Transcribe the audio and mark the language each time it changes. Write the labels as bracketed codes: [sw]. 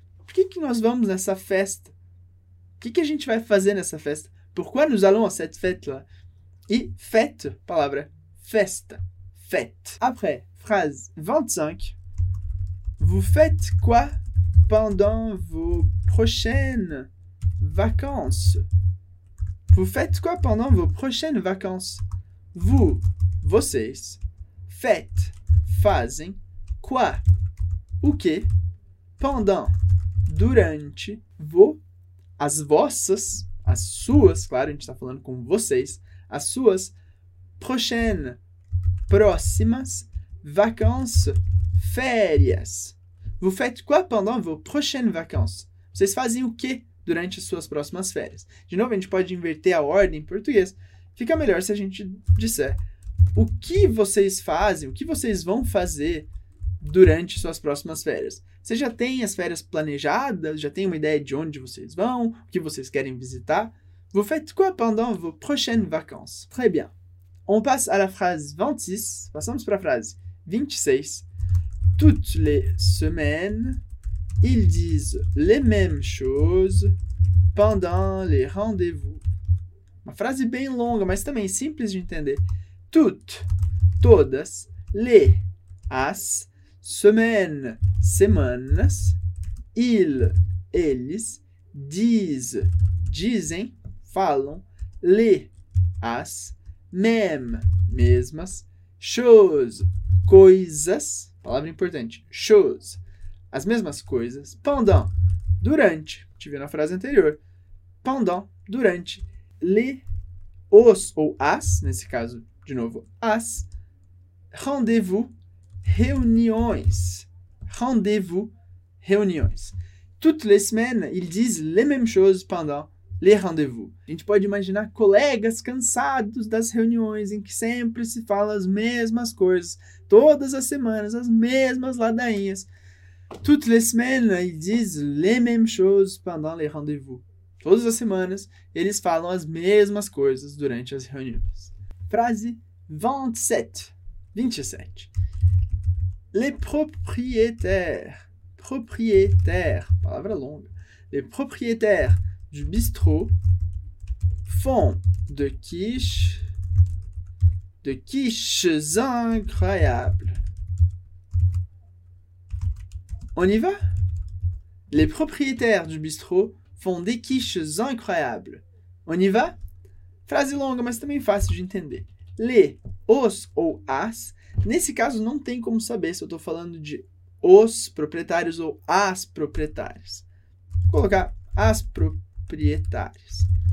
[pt] Por que que nós vamos nessa festa? O que a gente vai fazer nessa festa? [fr] Pourquoi nous allons à cette fête là? [pt] E fête, palavra festa. [fr] Fête. Après, phrase 25. Vous faites quoi pendant vos prochaines vacances? Vous faites quoi pendant vos prochaines vacances? [pt] Vous, vocês, faites, fazem. Quoi? O que? Pendant, durante, vos, as vossas, as suas, claro, a gente está falando com vocês, as suas prochaines, próximas, vacances, férias. [fr] Vous faites quoi pendant vos prochaines vacances? [pt] Vocês fazem o que durante as suas próximas férias? De novo, a gente pode inverter a ordem em português. Fica melhor se a gente disser o que vocês fazem, o que vocês vão fazer durante suas próximas férias. Você já tem as férias planejadas? Já tem uma ideia de onde vocês vão? O que vocês querem visitar? [fr] Vous faites quoi pendant vos prochaines vacances? Très bien. On passe à la phrase 26. [pt] Passamos para a frase 26. [fr] Toutes les semaines, ils disent les mêmes choses pendant les rendez-vous. [pt] Uma frase bem longa, mas também simples de entender. Toutes, todas, les, as, semaine, semanas, ils, eles, disent, dizem, falam, les, as, même, mesmas, choses, coisas, palavra importante, choses, as mesmas coisas, pendant, durante, tive na frase anterior, pendant, durante, les, os ou as, nesse caso, de novo, as, rendez-vous, reuniões. Rendez-vous, reuniões. [fr] Toutes les semaines, ils disent les mêmes choses pendant les rendez-vous. [pt] A gente pode imaginar colegas cansados das reuniões em que sempre se fala as mesmas coisas, todas as semanas, as mesmas ladainhas. [fr] Toutes les semaines, ils disent les mêmes choses pendant les rendez-vous. [pt] Todas as semanas, eles falam as mesmas coisas durante as reuniões. Frase 27. 27. [fr] Les propriétaires, [pt] palavra longa, [fr] les propriétaires du bistrot font de quiches incroyables. On y va? Les propriétaires du bistrot font des quiches incroyables. On y va? [pt] Frase longa, mas também fácil de entender. Lê os ou as? Nesse caso, não tem como saber se eu estou falando de os proprietários ou as proprietárias. Vou colocar as proprietárias.